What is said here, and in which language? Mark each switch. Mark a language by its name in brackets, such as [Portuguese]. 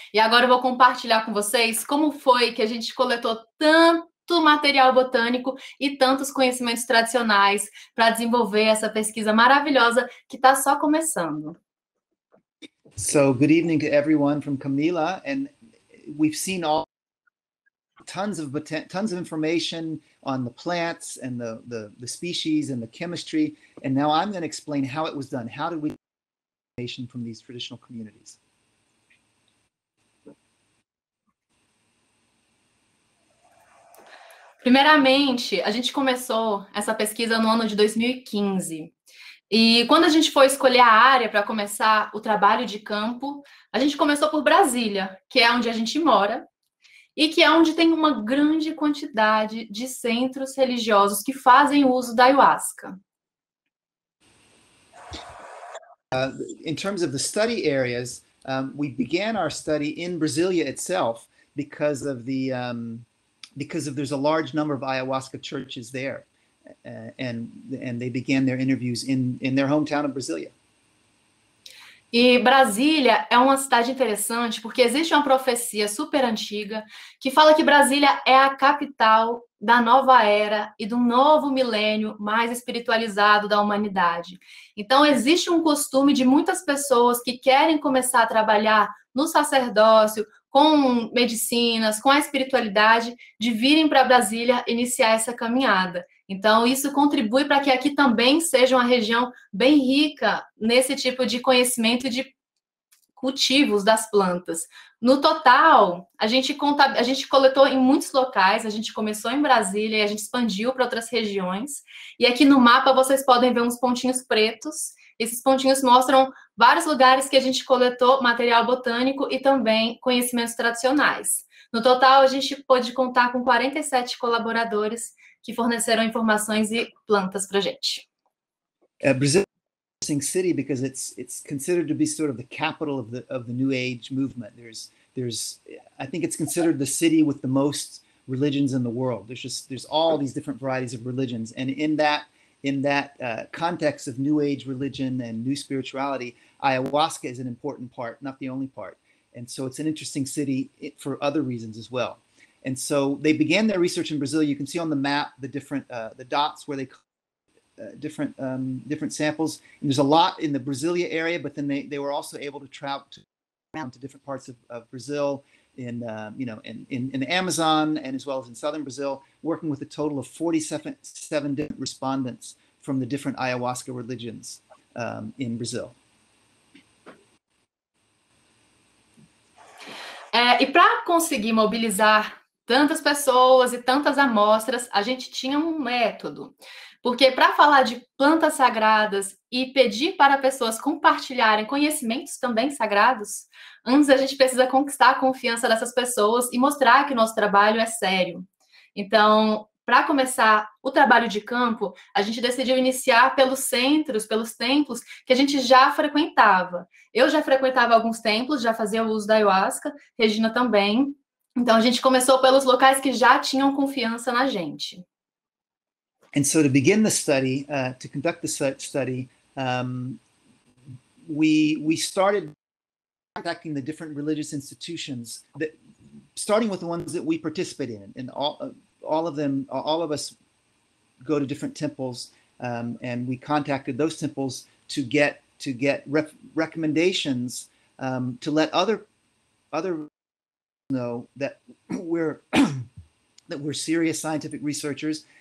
[Portuguese] E agora eu vou compartilhar com vocês como foi que a gente coletou tanto material botânico e tantos conhecimentos tradicionais para desenvolver essa pesquisa maravilhosa que está só começando. [English] So, good evening to everyone from Camila. And we've seen all tons of information on the plants and the species and the chemistry. And now I'm going to explain how it was done. How did we from these traditional communities. [Portuguese] Primeiramente, a gente começou essa pesquisa no ano de 2015. E quando a gente foi escolher a área para começar o trabalho de campo, a gente começou por Brasília, que é onde a gente mora, e que é onde tem uma grande quantidade de centros religiosos que fazem uso da ayahuasca. [English] In terms of the study areas, we began our study in Brasília itself because of the there's a large number of ayahuasca churches there, and they began their interviews in their hometown of Brasília. [Portuguese] E Brasília é uma cidade interessante porque existe uma profecia super antiga que fala que Brasília é a capital da nova era e do novo milênio mais espiritualizado da humanidade. Então, existe um costume de muitas pessoas que querem começar a trabalhar no sacerdócio, com medicinas, com a espiritualidade, de virem para Brasília iniciar essa caminhada. Então, isso contribui para que aqui também seja uma região bem rica nesse tipo de conhecimento de cultivos das plantas. No total, a gente coletou em muitos locais, a gente começou em Brasília e a gente expandiu para outras regiões. E aqui no mapa vocês podem ver uns pontinhos pretos. Esses pontinhos mostram vários lugares que a gente coletou material botânico e também conhecimentos tradicionais. No total, a gente pôde contar com 47 colaboradores que forneceram informações e plantas para a gente. [English] City because it's considered to be sort of the capital of the New Age movement. There's I think it's considered the city with the most religions in the world. There's all these different varieties of religions, and in that in that context of New Age religion and new spirituality, ayahuasca is an important part, not the only part. And so it's an interesting city for other reasons as well. And so they began their research in Brazil. You can see on the map the different the dots where they different samples. And there's a lot in the Brasilia area, but then they were also able to travel to different parts of Brazil in in the Amazon and as well as in southern Brazil, working with a total of 47 different respondents from the different ayahuasca religions in Brazil. [Portuguese] E para conseguir mobilizar tantas pessoas e tantas amostras, a gente tinha um método. Porque para falar de plantas sagradas e pedir para pessoas compartilharem conhecimentos também sagrados, antes a gente precisa conquistar a confiança dessas pessoas e mostrar que o nosso trabalho é sério. Então, para começar o trabalho de campo, a gente decidiu iniciar pelos centros, pelos templos que a gente já frequentava. Eu já frequentava alguns templos, já fazia o uso da ayahuasca, Regina também. Então, a gente começou pelos locais que já tinham confiança na gente. [English] And so to begin the study, to conduct the study, we started contacting the different religious institutions, that, starting with the ones that we participate in. And all of us go to different temples, and we contacted those temples to get recommendations to let other know that we're that we're serious scientific researchers.